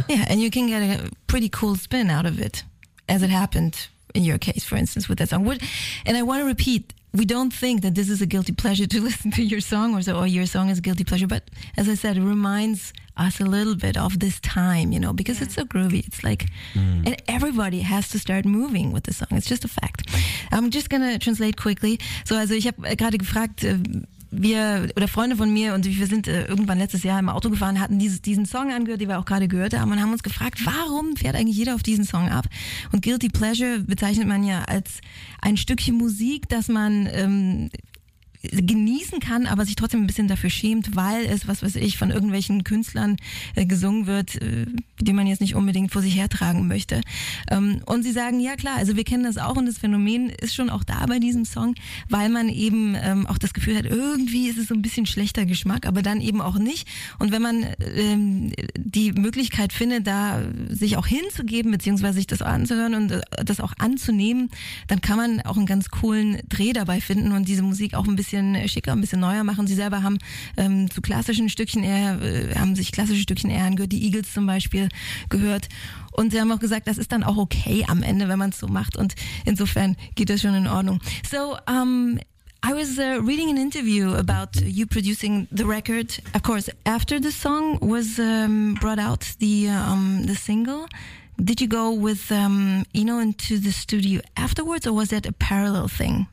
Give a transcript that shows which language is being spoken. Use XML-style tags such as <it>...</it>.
<en>Yeah, and you can get a pretty cool spin out of it, as it happened in your case, for instance, with that song. And I want to repeat, we don't think that this is a guilty pleasure to listen to your song or so, or your song is a guilty pleasure. But as I said, it reminds us a little bit of this time, you know, because it's so groovy. It's like, and everybody has to start moving with the song. It's just a fact. I'm just going to translate quickly.</en> <de>So, also, ich habe gerade gefragt, wir oder Freunde von mir und wir sind irgendwann letztes Jahr im Auto gefahren, hatten diesen Song angehört, den wir auch gerade gehört haben und haben uns gefragt, warum fährt eigentlich jeder auf diesen Song ab? Und Guilty Pleasure bezeichnet man ja als ein Stückchen Musik, das man genießen kann, aber sich trotzdem ein bisschen dafür schämt, weil es, was weiß ich, von irgendwelchen Künstlern gesungen wird, die man jetzt nicht unbedingt vor sich hertragen möchte. Und sie sagen, ja klar, also wir kennen das auch und das Phänomen ist schon auch da bei diesem Song, weil man eben auch das Gefühl hat, irgendwie ist es so ein bisschen schlechter Geschmack, aber dann eben auch nicht. Und wenn man die Möglichkeit findet, da sich auch hinzugeben, beziehungsweise sich das anzuhören und das auch anzunehmen, dann kann man auch einen ganz coolen Dreh dabei finden und diese Musik auch ein bisschen schicker, ein bisschen neuer machen. Sie selber haben zu klassischen Stückchen eher, haben sich klassische Stückchen eher angehört, die Eagles zum Beispiel gehört. Und sie haben auch gesagt, das ist dann auch okay am Ende, wenn man es so macht. Und insofern geht das schon in Ordnung.</de> <en>So, I was reading an interview about you producing the record. Of course, after the song was brought out, the single. Did you go with Eno into the studio afterwards, or was that a parallel thing?</en>